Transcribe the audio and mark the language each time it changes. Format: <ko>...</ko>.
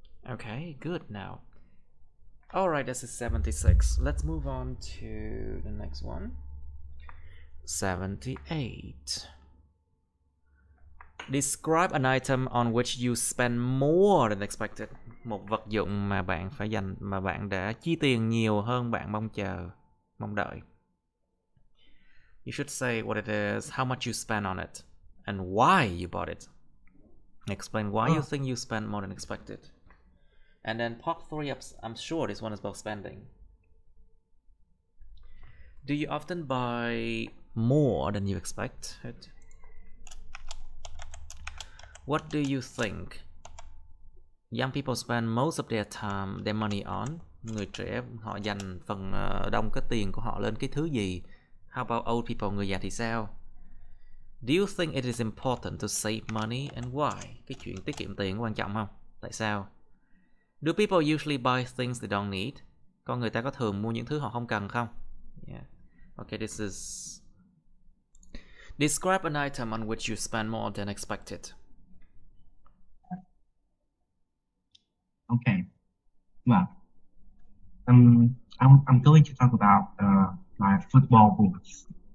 <en>Okay, good now. All right, this is 76. Let's move on to the next one. 78. Describe an item on which you spend more than expected.</en> <vi>Một vật dụng mà bạn phải dành, mà bạn đã chi tiền nhiều hơn bạn mong chờ, mong đợi.</vi> <en>You should say what it is, how much you spend on it, and why you bought it. Explain why you think you spend more than expected. And then part three, I'm sure this one is about spending. Do you often buy more than you expect it? What do you think young people spend most of their time, their money on?</en> <vi>Người trẻ họ dành phần đông cái tiền của họ lên cái thứ gì?</vi> <en>How about old people,</en> <vi>người già thì sao?</vi> <en>Do you think it is important to save money and why?</en> <vi>Cái chuyện tiết kiệm tiền quan trọng không? Tại sao?</vi> <en>Do people usually buy things they don't need?</en> <vi>Con người ta có thường mua những thứ họ không cần không?</vi> <en>Yeah. Okay, this is... Describe an item on which you spend more than expected. Okay. Well, I'm going to talk about my football boots.</en>